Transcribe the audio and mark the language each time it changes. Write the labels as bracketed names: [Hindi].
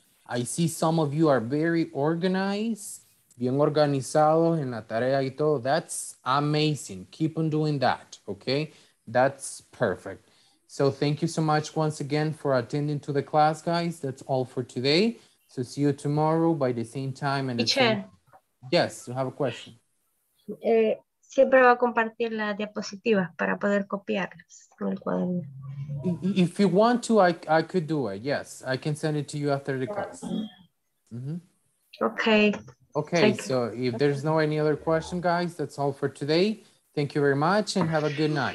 [English] I see some of you are very organized, bien organizado en la tarea y todo. That's amazing. Keep on doing that, okay? That's perfect. So thank you so much once again for attending to the class, guys. That's all for today. So see you tomorrow by the same time and teacher. Yes, you have a question. [Spanish] Siempre va a compartir las diapositivas para poder copiarlas en el cuaderno. [English] If you want to, I could do it. Yes, I can send it to you after the class. Mm-hmm. Okay. Okay, so if there's no any other question, guys, that's all for today. Thank you very much and have a good night.